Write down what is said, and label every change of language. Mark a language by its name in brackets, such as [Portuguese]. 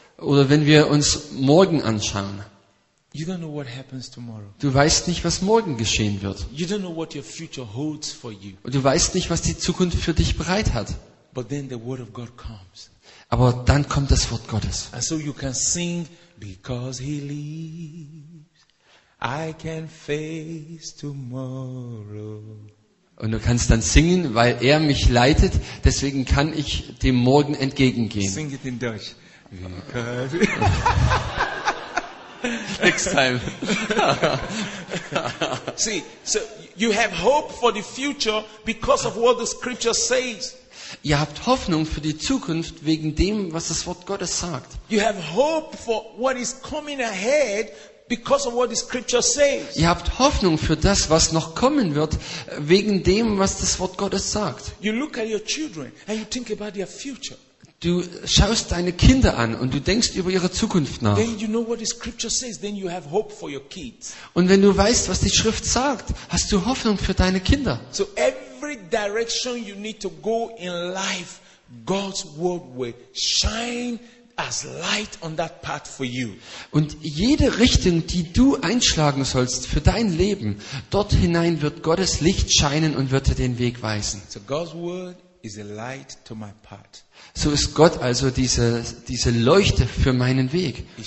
[German] Oder wenn wir uns morgen anschauen. [English] You don't know what happens tomorrow. [German] Du weißt nicht, was morgen geschehen wird. [English] You don't know what your future holds for you. [German] Und du weißt nicht, was die Zukunft für dich bereit hat. [English] But then the word of God comes. [German] Aber dann kommt das Wort Gottes. [English] And so you can sing, because he lives, I can face tomorrow. [German] Und du kannst dann singen, weil er mich leitet, deswegen kann ich dem Morgen entgegengehen. [English] Sing it in Deutsch. Next time. See, so you have hope for the future because of what the scripture says. [German] Ihr habt Hoffnung für die Zukunft wegen dem, was das Wort Gottes sagt. [English] You have hope for what is coming ahead because of what the scripture says. [German] Ihr habt Hoffnung für das, was noch kommen wird, wegen dem, was das Wort Gottes sagt. [English] You look at your children and you think about their future. [German] Du schaust deine Kinder an und du denkst über ihre Zukunft nach. [English] Then you know what the scripture says, then you have hope for your kids. [German] Und wenn du weißt, was die Schrift sagt, hast du Hoffnung für deine Kinder. [English] So every direction you need to go in life, God's word will shine as light on that path for you. [German] Und jede Richtung, die du einschlagen sollst für dein Leben, dort hinein wird Gottes Licht scheinen und wird dir den Weg weisen. [English] So God's word is a light to my path. [German] So ist Gott also diese Leuchte für meinen Weg.